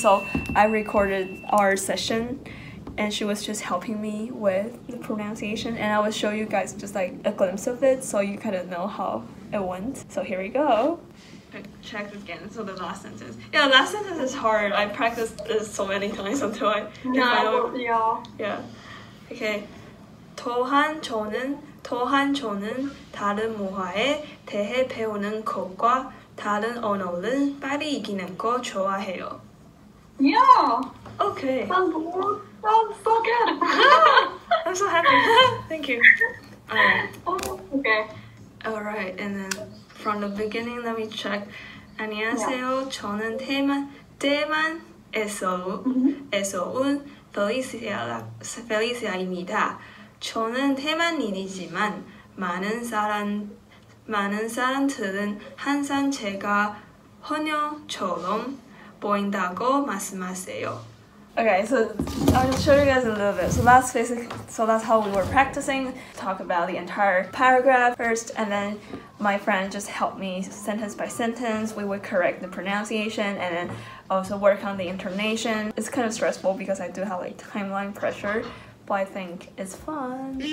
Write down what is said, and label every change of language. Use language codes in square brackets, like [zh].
[en] So I recorded our session and she was just helping me with the pronunciation, and I will show you guys just like a glimpse of it so you kind of know how it went. So here we go. Check again, so the last sentence. Yeah, the last sentence is hard. I practiced this so many times until I know. Yeah. Okay. [ko] 또한 저는 다른 문화에 대해 배우는 것과 다른 언어를 빨리 익히는 거 좋아해요. [en] Yeah. Okay. Sounds so good. I'm so happy. Thank you. Okay. All right, and then from the beginning, let me check. [ko] 안녕하세요. 저는 대만에서 온 Felicia입니다. 저는 대만인이지만 많은 사람들은 항상 제가 헌혈처럼 보인다고 말씀하세요. [en] Okay, so I'll just show you guys a little bit. So that's how we were practicing. Talk about the entire paragraph first, and then my friend just helped me sentence by sentence. We would correct the pronunciation and then also work on the intonation. It's kind of stressful because I do have like timeline pressure, but I think it's fun.